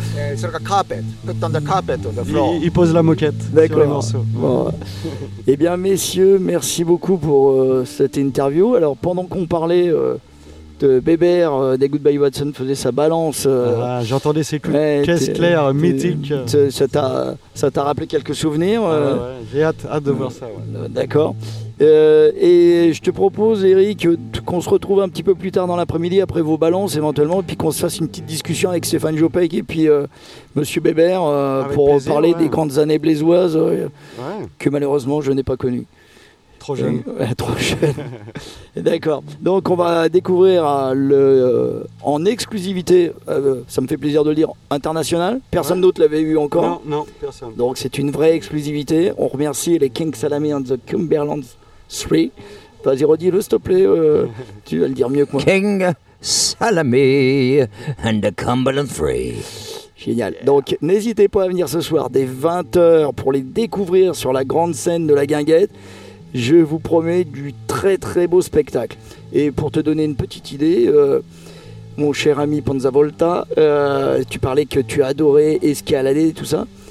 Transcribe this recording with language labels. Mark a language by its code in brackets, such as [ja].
[fr] C'est [en] like a carpet, put on the carpet on the floor. [fr] Ils posent la moquette. D'accord. Sur les morceaux. Bon. Eh bien, messieurs, merci beaucoup pour cette interview. Alors, pendant qu'on parlait de Bébert, des Goodbye Watson faisait sa balance. J'entendais ses caisses claires, mythiques. Ça t'a rappelé quelques souvenirs. J'ai hâte de voir ça. Ouais. D'accord. Et je te propose, Eric, qu'on se retrouve un petit peu plus tard dans l'après-midi après vos balances éventuellement, et puis qu'on se fasse une petite discussion avec Stéphane Jopek et puis Monsieur Bébert pour plaisir, parler des grandes années blésoises que malheureusement je n'ai pas connues. Trop jeune. Trop jeune. D'accord. Donc on va découvrir en exclusivité, ça me fait plaisir de le dire, international. Personne d'autre l'avait eu encore. Non, personne. Donc c'est une vraie exclusivité. On remercie les King Salami and the Cumberland Three Vas-y, redis-le, s'il te plaît. Tu vas le dire mieux que moi. King Salami and the Cumberland Free. Génial. Yeah. Donc, n'hésitez pas à venir ce soir dès 20h pour les découvrir sur la grande scène de la guinguette. Je vous promets du très très beau spectacle. Et pour te donner une petite idée, mon cher ami Panza Volta, tu parlais que tu adorais escalader et tout ça.